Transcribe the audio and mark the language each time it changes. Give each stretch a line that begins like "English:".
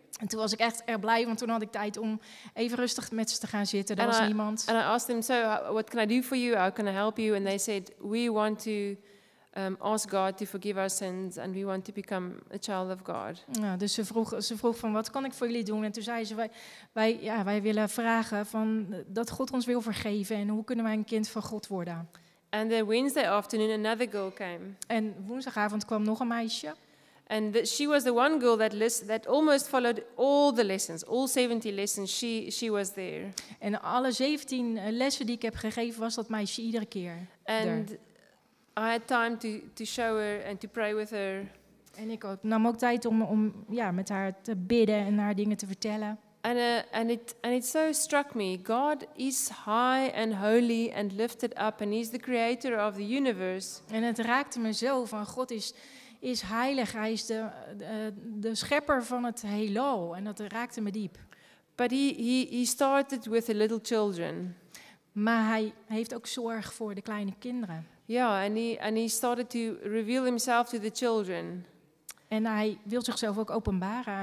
Dutch: En toen was ik echt erg blij, want toen had ik tijd om even rustig met ze te gaan zitten. Er was niemand.
English: And I asked them, so what can I do for you? How can I help you? And they said, we want to ask God to forgive our sins and we want to become a child of God.
Dutch: Ja, dus ze vroeg van, wat kan ik voor jullie doen? En toen zei ze, wij willen vragen van dat God ons wil vergeven en hoe kunnen wij een kind van God worden?
English: And then Wednesday afternoon another girl came.
Dutch: En woensdagavond kwam nog een meisje.
English: And she was the one girl that almost followed all the lessons, all 70 lessons. She was there.
Dutch: En alle 17 lessen die ik heb gegeven was dat meisje iedere keer.
English: And I had time to show her and to pray with her.
Dutch: En ik nam ook tijd om met haar te bidden en haar dingen te vertellen.
English: And it so struck me. God is high and holy and lifted up and he's the creator of the universe.
Dutch: En het raakte me zo van God is heilig, hij is de schepper van het heelal en dat raakte me diep.
English: But he started with the little children.
Dutch: Maar hij heeft ook zorg voor de kleine kinderen.
English: Yeah, and he started to reveal himself to the children.
Dutch: En hij wil zichzelf ook openbaren aan